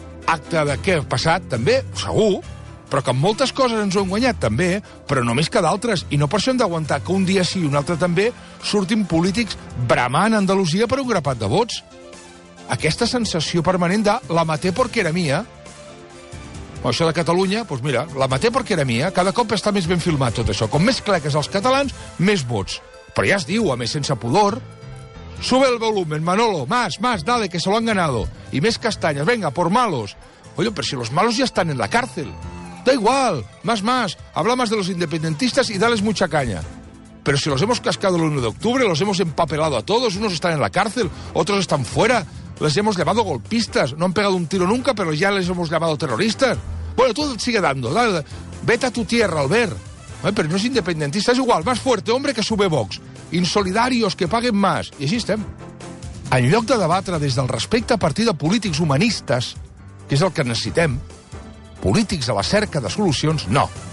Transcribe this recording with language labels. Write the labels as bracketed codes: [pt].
[ca] acte de què ha passat, també, segur, però que moltes coses ens ho hem guanyat, també, però només que d'altres, i no per això hem d'aguantar que un dia sí i un altre també surtin polítics bramant Andalusia per un grapat de vots. Aquesta sensació permanent de la maté perquè era mia, o això de Catalunya, doncs mira, la maté perquè era mia, cada cop està més ben filmat tot això. Com més cleques als catalans, més vots. Però ja es diu, a més, sense pudor... [es] Sube el volumen, Manolo, más, dale, que se lo han ganado. Y més castañas, venga, por malos. Oye, pero si los malos ya están en la cárcel. Da igual, más, habla más de los independentistas y dales mucha caña. Pero si los hemos cascado el 1 de octubre, los hemos empapelado a todos, unos están en la cárcel, otros están fuera, les hemos llamado golpistas, no han pegado un tiro nunca, pero ya les hemos llamado terroristas. Bueno, tú sigue dando, dale, vete a tu tierra, Albert. Oye, pero no es independentista, es igual, más fuerte, hombre, que sube Vox. Insolidarios, que paguen más. [ca] I així estem. En lloc de debatre des del respecte a partir de polítics humanistes, que és el que necessitem, polítics a la cerca de solucions, no.